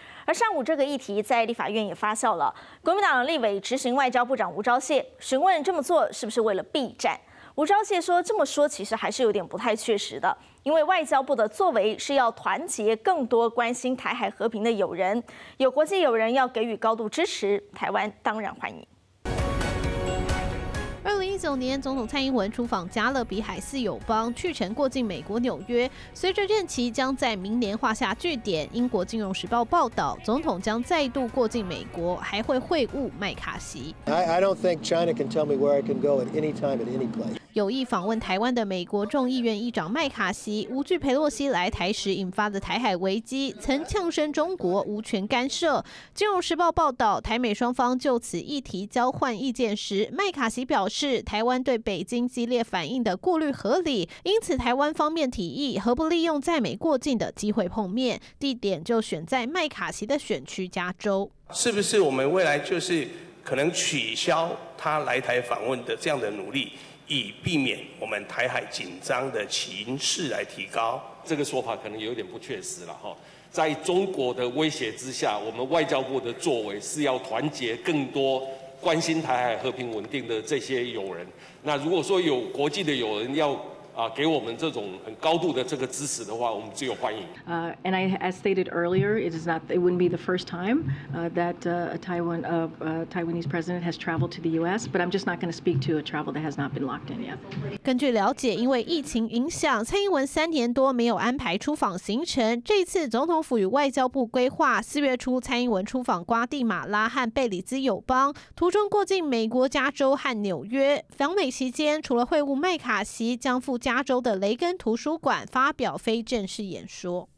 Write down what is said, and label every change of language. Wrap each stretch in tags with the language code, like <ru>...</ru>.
<zh>而上午这个议题在立法院也发酵了，国民党立委执行外交部长吴钊燮询问这么做是不是为了避战，吴钊燮说这么说其实还是有点不太确实的，因为外交部的作为是要团结更多关心台海和平的友人，有国际友人要给予高度支持，台湾当然欢迎。 2019年，总统蔡英文出访加勒比海四友邦，去程过境美国纽约。随着任期将在明年画下句点，英国金融时报报道，总统将再度过境美国，还会会晤麦卡锡。</zh> <en>I don't think China can tell me where I can go at any time at any place。</en> <zh>有意访问台湾的美国众议院议长麦卡锡，无惧佩洛西来台时引发的台海危机，曾呛声中国无权干涉。金融时报报道，台美双方就此议题交换意见时，麦卡锡表示，台湾对北京激烈反应的顾虑合理，因此台湾方面提议何不利用在美过境的机会碰面，地点就选在麦卡锡的选区加州。是不是我们未来就是可能取消他来台访问的这样的努力，以避免我们台海紧张的情势来提高？这个说法可能有点不确实了，在中国的威胁之下，我们外交部的作为是要团结更多关心台海和平稳定的这些友人，那如果说有国际的友人要给我们这种很高度的这个支持的话，我们只有欢迎。</zh> <en>And I, as stated earlier, it wouldn't be the first time that Taiwanese president has traveled to the U.S. But I'm just not going to speak to a travel that has not been locked in yet.</en> <zh>根据了解，因为疫情影响，蔡英文三年多没有安排出访行程。这次总统府与外交部规划四月初蔡英文出访瓜地马拉和贝里兹友邦，途中过境美国加州和纽约。访美期间，除了会晤麦卡锡，将赴加州的雷根图书馆发表非正式演说。</zh>